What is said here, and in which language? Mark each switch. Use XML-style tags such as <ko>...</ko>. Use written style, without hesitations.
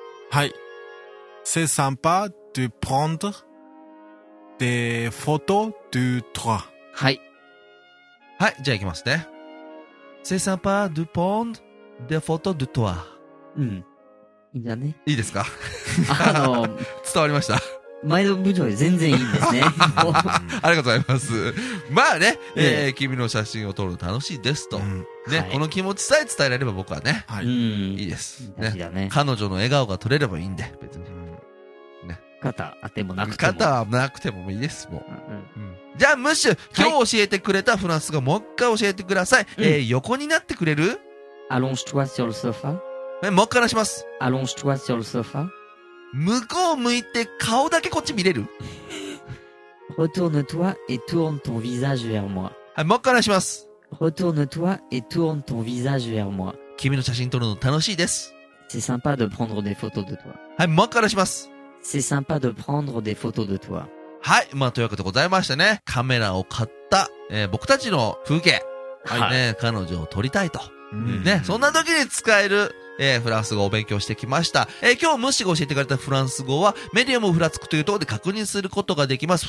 <fr>はい c'est sympa de prendre des photos de toi</fr> <ja>はいはいじゃあ行きますね</ja> <fr>c'est sympa de prendre des photos de toi</fr> <ja>うんいいんだねいいですか伝わりました前の部長より全然いいんですねありがとうございますまあね、君の写真を撮るの楽しいですと、うんねはい、この気持ちさえ伝えられれば僕はね、はい、いいです、ねだね、彼女の笑顔が撮れればいいんで別に、ね、肩当てもなくても肩はなくてもいいですもう、うん、じゃあムッシュ今日教えてくれたフランス語もう一回教えてください、はい横になってくれる</ja> <fr>Allonge-toi sur le sofa</fr> <ja>もう一回話します</ja> <fr>Allonge-toi sur le sofa</fr> <ja>向こう向いて顔だけこっち見れる</ja> <fr>Retourne-toi et tourne ton visage vers moi</fr> <ja>はいもう一回話します</ja> <fr>Retourne-toi et tourne ton visage vers moi</fr> <ja>君の写真撮るの楽しいです</ja> <fr>C'est sympa de prendre des photos de toi</fr> <ja>はいもう一回話します</ja> <fr>C'est sympa de prendre des photos de toi</fr> <ja>はいまあというわけでございましたねカメラを買った、僕たちの風景はい、はい、ね彼女を撮りたいとね、そんな時に使えるフランス語を勉強してきました。今日ムッシュが教えてくれたフランス語は、メディアムフラツクというところで確認することができます。</ja>